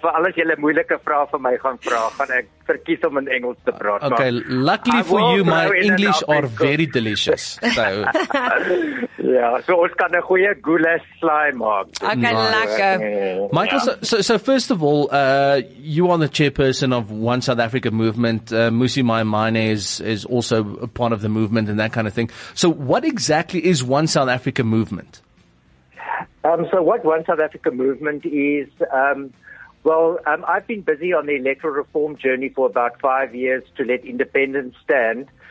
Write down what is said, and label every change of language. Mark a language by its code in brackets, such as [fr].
[af] For alles jylle moeilike vraag van my gaan vraag, gaan ek verkies om in Engels te praat. [en] Okay, luckily for you, my English are very delicious. So. [af] Yeah, so ons kan een goeie goulash slaai maak. [en] Okay, nice. Lekker. Michael, yeah. So first of all, you are the chairperson of One South Africa Movement. Musi Maimane is also a part of the movement and that kind of thing. So what exactly is One South Africa Movement? So what One South Africa Movement is, I've been busy on the electoral reform journey for about 5 years to let independence stand.